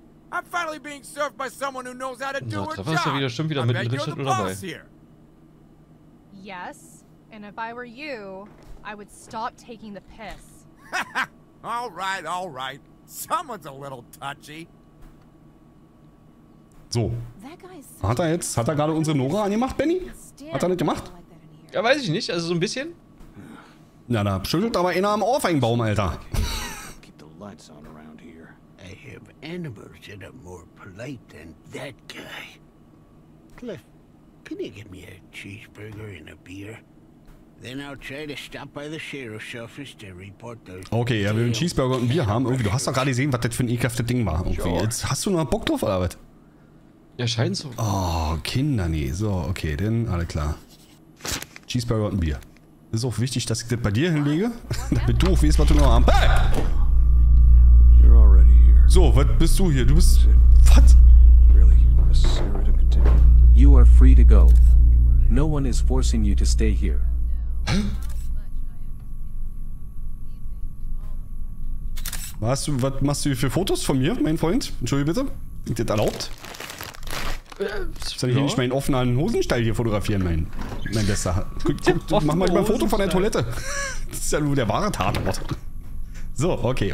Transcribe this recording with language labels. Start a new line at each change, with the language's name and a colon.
English: I'm finally being served by someone who knows how to do a job.
German: Trevor ist ja wieder, stimmt wieder, mit dem Schüttel dabei.
English: Yes. And if I were you, I would stop taking the piss. All right. Someone's a little touchy.
German: So. Hat er gerade unsere Nora angemacht, Benny? Hat er nicht gemacht? Ja, weiß ich nicht. Also so ein bisschen. Ja, da schüttelt aber einer am Ohrfeigenbaum, Alter.
English: Keep the lights on around here. I have animals that are more polite than that guy. Cliff, can you get me a cheeseburger and a beer? Then I'll try to stop by the sheriff's office to report those.
German: Okay, ja, wir will einen Cheeseburger und ein Bier haben. Irgendwie, du hast doch gerade gesehen, was das für ein ekelhaftes Ding war. Irgendwie. Jetzt hast du noch Bock drauf, oder was? Ja, scheint so. Oh, Kinder, nee. So, okay, dann, alle klar. Cheeseburger und ein Bier. Ist auch wichtig, dass ich das bei dir hinlege. Damit du auch weißt, was du noch am.
English: Hey! You're already here.
German: So, was bist du hier? Du bist. Was?
English: Really? Necessary to continue. You are free to go. No one is forcing you to stay here.
German: Was machst du hier für Fotos von mir, mein Freund? Entschuldige bitte. Ist das erlaubt? Soll ich hier nicht meinen offenen Hosenstall hier fotografieren, mein Bester? Mach mal ein Foto von der Toilette. Das ist ja nur der wahre Tatort. So, okay.